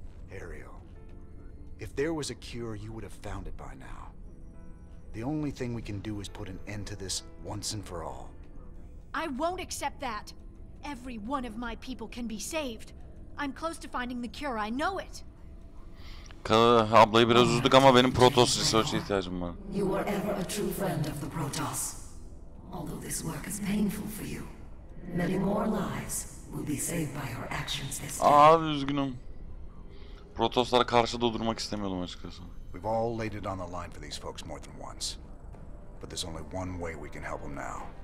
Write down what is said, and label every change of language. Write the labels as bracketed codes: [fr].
[en] Ariel, if there was a cure, you would have found it by now. The only thing we can do is put an end to this once and for all. I won't accept that. Every one of my people can be saved. I'm close to finding the cure. I know it. [tr] Ablayı biraz üzdük ama benim Protoss research'e ihtiyacım var. [en] You were ever a true friend of the Protoss. Although this work is painful for you, many more lives will be saved by your actions this day. [tr] Abi üzgünüm. Protoss'lara karşı da durmak istemiyorum açıkçası. [en] We've all laid it on the line for these folks more than once. But there's only one way we can help them now.